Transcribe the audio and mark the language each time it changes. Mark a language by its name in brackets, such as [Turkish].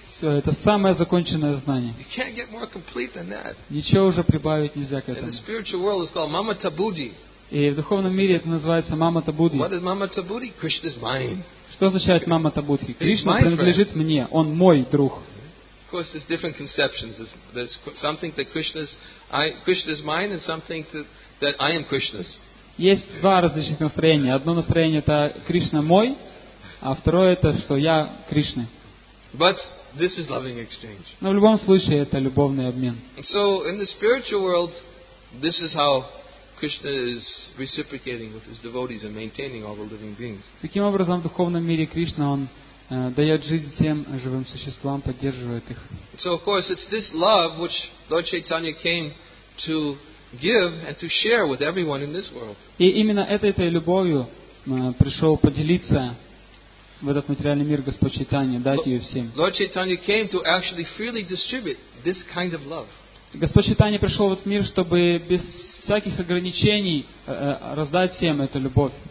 [Russian] Все, это самое законченное знание. [English] You can't get more complete than that. [Russian] Ничего уже прибавить нельзя к этому. [English] And the spiritual world is called Mama Tabudi. [Russian] И в духовном мире это называется Мама Табуди. [English] What is Mama Tabudi? Krishna is mine. [Russian] Что означает Мама Табудхи? Кришна принадлежит мне, Он мой друг. [English] Of course, there's different conceptions. There's something that Krishna's mine, and something that I am Krishna's. [Russian] Есть два различных настроения. Одно настроение — это Кришна мой, а второе — это что я Кришна. [English] But this is loving exchange. [Russian] Но в любом случае это любовный обмен. [English] So in the spiritual world, this is how Krishna is reciprocating with his devotees and maintaining all the living beings. [Russian] Таким образом, в духовном мире Кришна, он дает жизнь тем живым существам, поддерживает их. [English] So of course it's this love which Lord Chaitanya came to give and to share with everyone in this world. [Russian] И именно этой любовью пришел поделиться в этот материальный мир Господь Чайтанья, дать ее всем. [English] Lord Chaitanya came to actually freely distribute this kind of love. [Russian] Господь Чайтанья пришел в этот мир, чтобы без всяких ограничений раздать всем эту любовь.